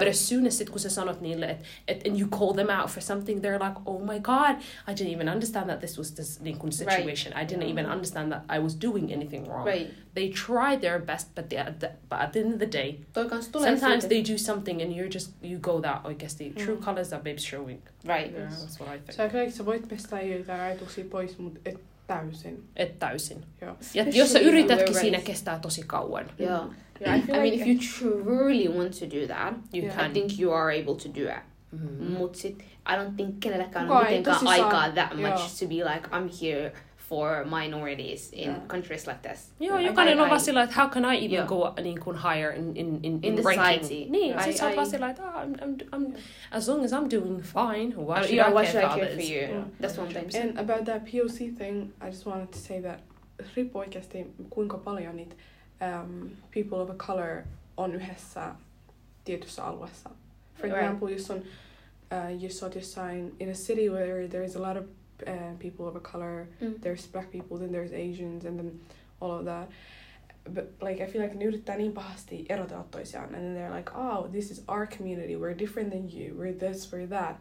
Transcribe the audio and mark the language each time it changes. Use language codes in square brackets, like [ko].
[en] But as soon as it [fi] kun sä sanot niille, [en] and you call them out for something, they're like, oh my god, I didn't even understand that this was this situation. Right. I didn't even understand that I was doing anything wrong. Right. They try their best, but at the end of the day, sometimes they do something and you go that, I guess the true colors are babes showing. Right. Yeah, that's what I think. So I feel like [fi] sä voit pestää jotain ajatuksia pois, mutta et täysin. Et täysin. Joo. Ja jos sä yritätkin, siinä kestää tosi kauan. [en] Yeah. I mean, if you truly want to do that, you can. I think you are able to do it. [fi] Mutta sit, [en] I don't think [fi] kenelläkään on mitenkään aikaa [en] that much to be like, I'm here for minorities in countries like this. [fi] Joo, jokainen on vaan sillä, että [en] how can I even go [fi] niin kuin [en] higher in the society. [fi] Niin, siis on vaan sillä, että [en] as long as I'm doing fine, why should I care for you? Yeah. That's one thing. And about that POC thing, I just wanted to say that [fi] riippu oikeasti kuinka paljon niitä [en] people of a color [fi] on yhdessä tietyssä alueessa. [en] For example, [fi] jos on jossain [en] in a city where there is a lot of people of a color, there's black people, then there's Asians, and then all of that. But like, I feel like [fi] ne yrittää niin pahasti erotella toisiaan, [en] and then they're like, oh, this is our community, we're different than you, we're this, we're that.